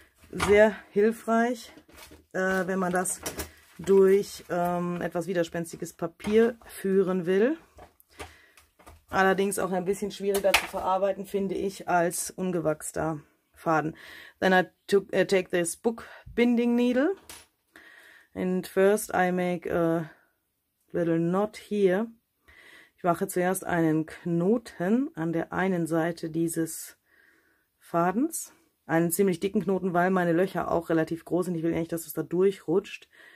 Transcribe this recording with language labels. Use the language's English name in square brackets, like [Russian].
[German] Sehr hilfreich, wenn man das durch etwas widerspenstiges Papier führen will. Allerdings auch ein bisschen schwieriger zu verarbeiten, finde ich, als ungewachster Faden. [English] Then I take this book binding needle and first I make a little knot here. [German] Ich mache zuerst einen Knoten an der einen Seite dieses Fadens. Einen ziemlich dicken Knoten, weil meine Löcher auch relativ groß sind. Ich will eigentlich, dass es da durchrutscht.